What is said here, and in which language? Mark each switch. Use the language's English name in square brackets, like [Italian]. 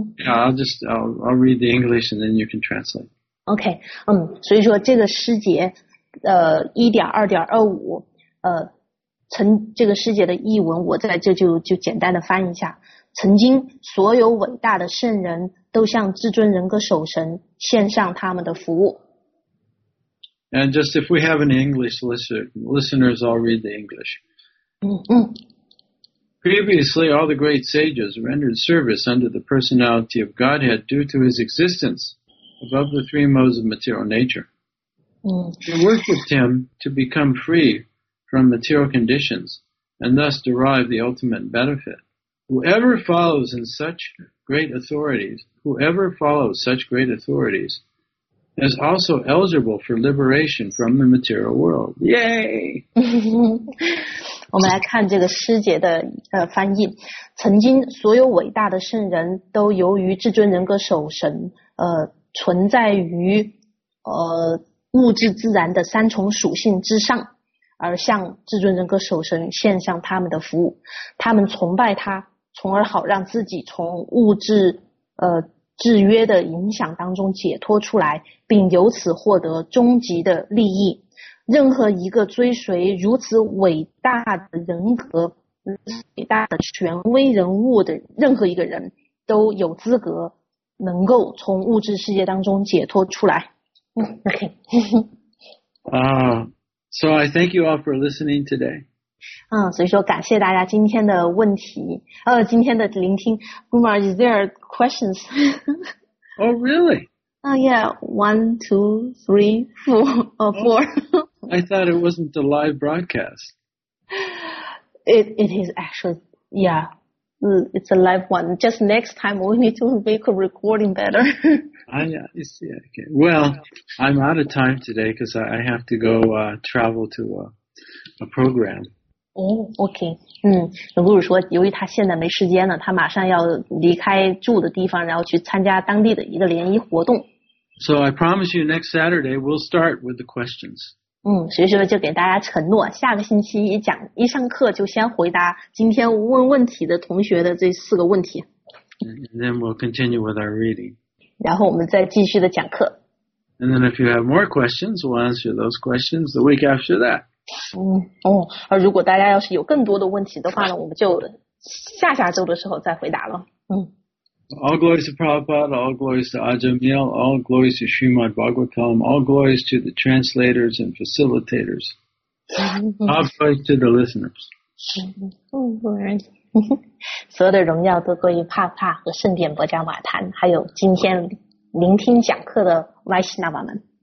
[English] I'll read the English and then you can translate. Okay. [Chinese] 所以说这个诗节，1.2.25，曾这个诗节的译文，我在这就简单的翻一下。曾经，所有伟大的圣人都向至尊人格守神献上他们的服务。 [English] And just if we have an English listeners, I'll read the English. Previously, all the great sages rendered service under the personality of Godhead due to his existence above the three modes of material nature. They worshipped him to become free from material conditions and thus derive the ultimate benefit. Whoever follows in such great authorities, whoever follows such great authorities, is also eligible for liberation from the material world. Yay! [Chinese] 我们来看这个诗节的翻译。曾经所有伟大的圣人都由于至尊人格守神存在于物质自然的三重属性之上，而向至尊人格守神献上他们的服务。他们崇拜他，从而好让自己从物质制约的影响当中解脱出来，并由此获得终极的利益。任何一个追随如此伟大的人格、伟大的权威人物的任何一个人，都有资格能够从物质世界当中解脱出来。 [English] So I thank you all for listening today. [Chinese] 所以说感谢大家今天的问题，今天的聆听。 [English] Gumar, is there questions? Oh, really? Yeah, 1, 2, 3, 4. I thought it wasn't a live broadcast. It is actually, yeah, it's a live one. Just next time we need to make a recording better. Okay. Well, I'm out of time today because I have to go travel to a program. Oh, okay. [Chinese] 卢鲁说由于他现在没时间了，他马上要离开住的地方，然后去参加当地的一个联谊活动。 [English] So I promise you next Saturday we'll start with the questions. [Chinese] 所以说就给大家承诺，下个星期一上课就先回答今天问问题的同学的这四个问题。 [English] And then we'll continue with our reading. [Chinese] 然后我们再继续的讲课。 [English] And then if you have more questions, we'll answer those questions the week after that. [Chinese] 而如果大家要是有更多的问题的话呢，我们就下周的时候再回答了。 [English] All glories to Prabhupada, all glories to Ajahn Mial, all glories to Srimad Bhagavatam, all glories to the translators and facilitators, all glories to the listeners. Oh, Lord. [Chinese] 所有的荣耀都归于帕帕和圣典博迦瓦坛，还有今天聆听讲课的歪西那瓦们。